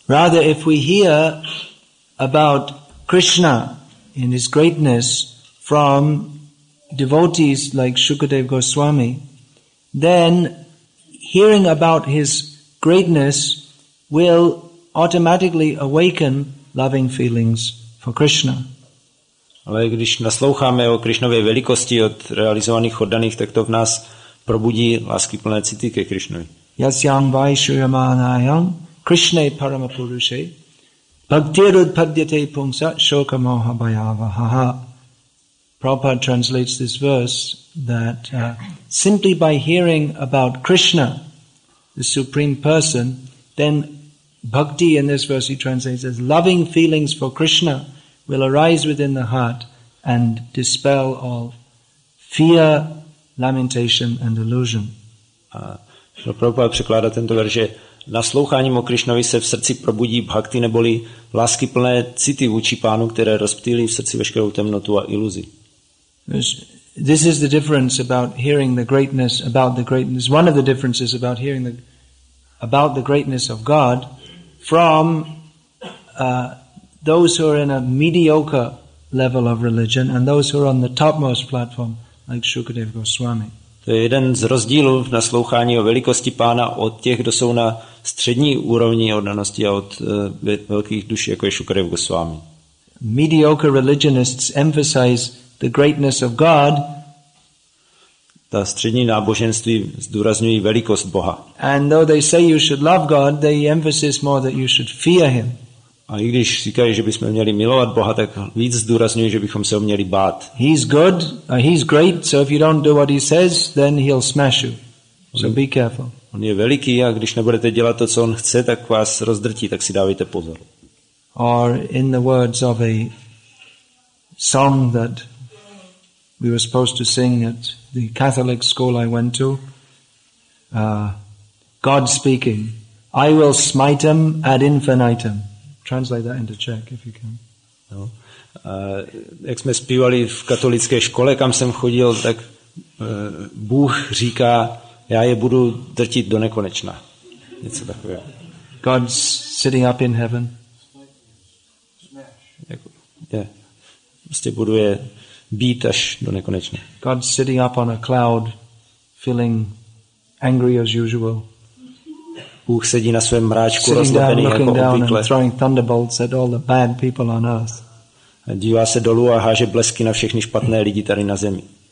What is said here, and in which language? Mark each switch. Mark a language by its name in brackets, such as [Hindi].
[English] Rather, if we hear about Krishna in his greatness from devotees like Shukadev Goswami, then hearing about his greatness will automatically awaken loving feelings for Krishna. [Czech] Ale když nasloucháme o Krišnově velikosti od realizovaných oddaných, tak to v nás probudí láskyplné city ke Krišnovi. [Sanskrit] Yasyam vaishuyamanayam Krishne paramapuruše bhaktirud padyate pungsa shokamoha bhayavaha. [English] Prabhupada translates this verse that simply by hearing about Krishna, the Supreme Person, then bhakti in this verse he translates as loving feelings for Krishna will arise within the heart and dispel all fear, lamentation and illusion. [Czech] A Prabhupada překládá tento verš, že nasloucháním o Krišnovi se v srdci probudí bhakti, neboli láskyplné city vůči pánu, které rozptýlí v srdci veškerou temnotu a iluzi. [English] This is the difference about hearing the greatness, about the greatness, one of the differences about hearing the about the greatness of God from those who are in a mediocre level of religion and those who are on the topmost platform like Shukadev Goswami. [Czech] To je jeden z rozdílů v naslouchání o velikosti pána od těch, kdo jsou na střední úrovni oddanosti a od velkých duší, jako je Shukadev Goswami. [English] Mediocre religionists emphasize the greatness of God. [Czech] Ta střední náboženství zdůrazňují velikost Boha. [English] And though they say you should love God, they emphasize more that you should fear him. [Czech] A i když říkají, že bychom měli milovat Boha, tak víc zdůrazňují, že bychom se ho měli bát. [English] He's good, he's great, so if you don't do what he says, then he'll smash you. So be careful. [Czech] On je veliký a když nebudete dělat to, co on chce, tak vás rozdrtí, tak si dávejte pozor. [English] Or in the words of a song that we were supposed to sing at the Catholic school I went to, God speaking, I will smite him ad infinitum. Translate that into Czech, if you can. No. [Czech] Jak jsme zpívali v katolické škole, kam jsem chodil, tak Bůh říká, já je budu drtit do nekonečna. Něco takového. [English] God's sitting up in heaven. [Czech] Prostě budu je být až do nekonečna. [English] God sitting up on a cloud feeling angry as usual. [Czech] Bůh sedí na svém mráčku rozlepený jako obvykle. [English] Throwing thunderbolts at all the bad people on earth. [Czech] Dívá se dolů a háže blesky na všechny špatné lidi tady na zemi.